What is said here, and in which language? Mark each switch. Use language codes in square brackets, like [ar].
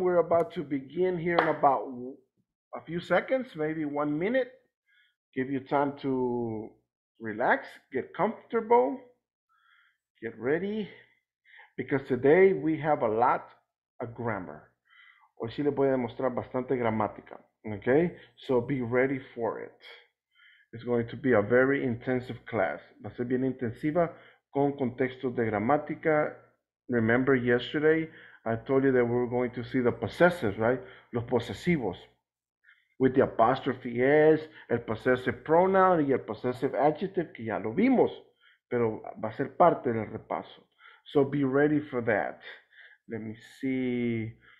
[en] We're about to begin here in about a few seconds, maybe 1 minute. Give you time to relax, get comfortable, get ready, because today we have a lot of grammar. [es] Hoy sí le voy a demostrar bastante gramática, okay? [en] So be ready for it. It's going to be a very intensive class. [es] Va a ser bien intensiva con contextos de gramática. [en] Remember yesterday, I told you that we were going to see the possessives, right? [es] Los posesivos. [en] With the apostrophe S, [es] el possessive pronoun y el possessive adjective, que ya lo vimos, pero va a ser parte del repaso. [en] So be ready for that. Let me see.